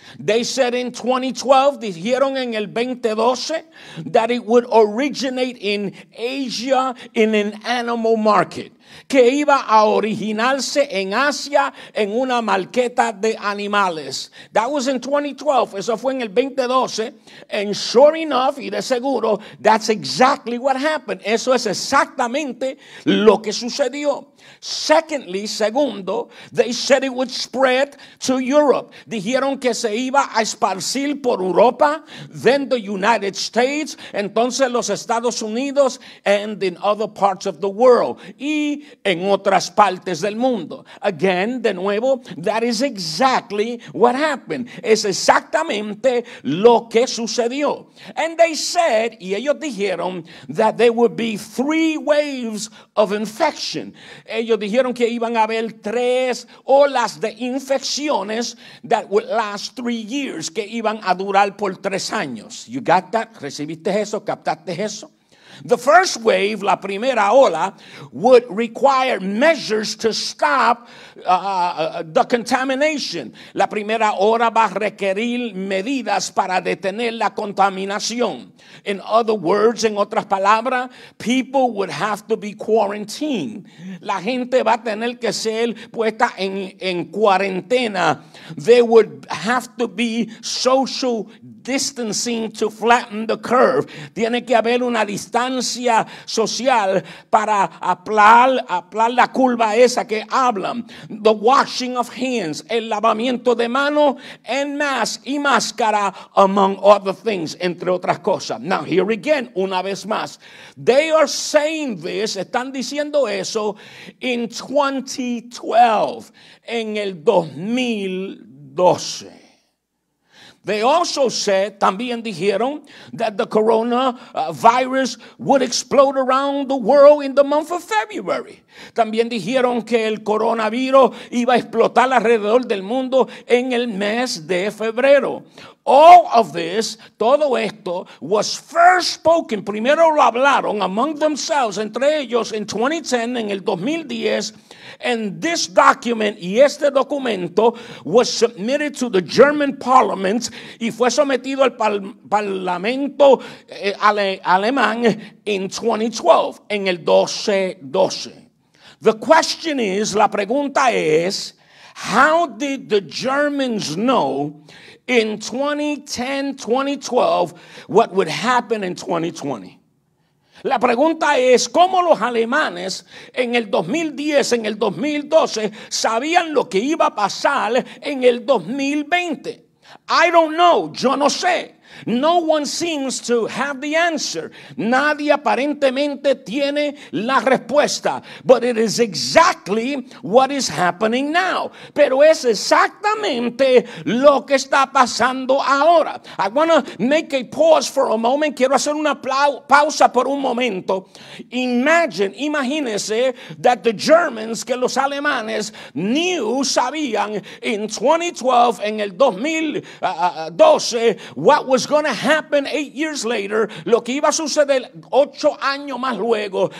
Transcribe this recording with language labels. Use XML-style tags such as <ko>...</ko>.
<en>They said in 2012,</en> <es>dijeron en el 2012,</es> <en>that it would originate in Asia in an animal market.</en> <es>Que iba a originarse en Asia en una marqueta de animales.</es> <en>That was in 2012.</en> <es>Eso fue en el 2012.</es> <en>And sure enough,</en> <es>y de seguro,</es> <en>that's exactly what happened.</en> <es>Eso es exactamente lo que sucedió.</es> <en>Secondly,</en> <es>segundo,</es> <en>they said it would spread to Europe.</en> <es>Dijeron que se iba a esparcir por Europa,</es> <en>then the United States,</en> <es>entonces los Estados Unidos,</es> <en>and in other parts of the world.</en> <es>Y en otras partes del mundo.</es> <en>Again,</en> <es>de nuevo,</es> <en>that is exactly what happened.</en> <es>Es exactamente lo que sucedió.</es> <en>And they said,</en> <es>y ellos dijeron,</es> <en>that there would be three waves of infection.</en> <es>Ellos dijeron que iban a haber tres olas de infecciones</es> <en>that would last 3 years,</en> <es>que iban a durar por 3 años.</es> <en>You got that?</en> <es>¿Recibiste eso? ¿Captaste eso?</es> <en>The first wave,</en> <es>la primera ola,</es> <en>would require measures to stop the contamination.</en> <es>La primera ola va a requerir medidas para detener la contaminación.</es> <en>In other words,</en> <es>en otras palabras,</es> <en>people would have to be quarantined.</en> <es>La gente va a tener que ser puesta en cuarentena.</es> <en>There would have to be social distancing to flatten the curve.</en> <es>Tiene que haber una distancia social para aplanar la curva esa que hablan.</es> <en>The washing of hands,</en> <es>el lavamiento de mano,</es> <en>and mask</en> <es>y máscara,</es> <en>among other things,</en> <es>entre otras cosas.</es> <en>Now, here again,</en> <es>una vez más.</es> <en>They are saying this,</en> <es>están diciendo eso,</es> <en>in 2012,</en> <es>en el 2012.</es> <en>They also said,</en> <es>también dijeron,</es> <en>that the coronavirus would explode around the world in the month of February.</en> <es>También dijeron que el coronavirus iba a explotar alrededor del mundo en el mes de febrero.</es> <en>All of this,</en> <es>todo esto,</es> <en>was first spoken,</en> <es>primero lo hablaron</es> <en>among themselves,</en> <es>entre ellos,</es> <en>in 2010,</en> <es>en el 2010,</es> <en>and this document,</en> <es>y este documento,</es> <en>was submitted to the German Parliament,</en> <es>y fue sometido al Parlamento alemán</es> <en>in 2012,</en> <es>en el 2012.</es> <en>The question is,</en> <es>la pregunta es,</es> <en>how did the Germans know in 2010, 2012, what would happen in 2020?</en> <es>La pregunta es, ¿cómo los alemanes en el 2010, en el 2012, sabían lo que iba a pasar en el 2020?</es> <en>I don't know,</en> <es>yo no sé.</es> <en>No one seems to have the answer.</en> <es>Nadie aparentemente tiene la respuesta.</es> <en>But it is exactly what is happening now.</en> <es>Pero es exactamente lo que está pasando ahora.</es> <en>I want to make a pause for a moment.</en> <es>Quiero hacer una pausa por un momento. Imagínese</es> <en>that the Germans,</en> <es>que los alemanes,</es> <en>knew,</en> <es>sabían,</es> <en>in 2012,</en> <es>en el 2012,</es> <en>what was going to happen 8 years later,</en> <es>lo que iba a suceder 8 años más luego.</es>